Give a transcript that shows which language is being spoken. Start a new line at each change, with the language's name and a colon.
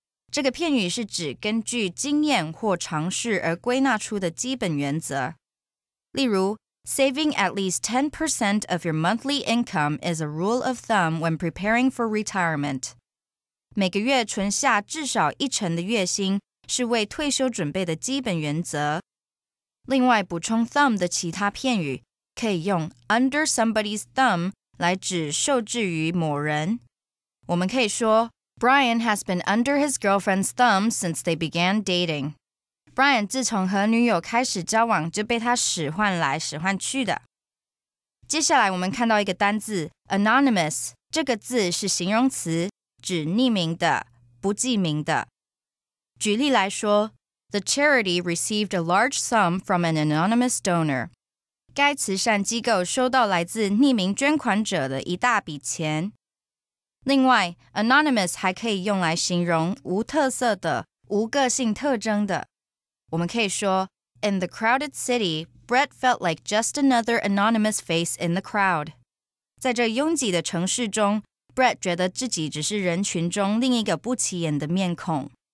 Chinese: 这个片语是指根据经验或尝试而归纳出的基本原则。例如
English: ,saving at least 10% of your monthly income is a rule of thumb when preparing for retirement.
Chinese: 每个月存下至少一成的月薪是为退休准备的基本原则。另外补充 thumb 的其他片语可以用
English: under somebody's thumb
Chinese: 来指受制于某人。我们可以说
English: Brian has been under his girlfriend's thumb since they began dating.
Chinese: Brian 自从和女友开始交往就被她使唤来使唤去的。接下来我们看到一个单字 anonymous, 这个字是形容词指匿名的、不记名的。举例来说
English: The charity received a large sum from an anonymous donor.
Chinese: 该慈善机构收到来自匿名捐款者的一大笔钱。另外 ,anonymous 还可以用来形容无特色的、无个性特征的。我们可以说
English: ,In the crowded city, Brett felt like just another anonymous face in the crowd.
Chinese: 在这拥挤的城市中 ,Brett 觉得自己只是人群中另一个不起眼的面孔。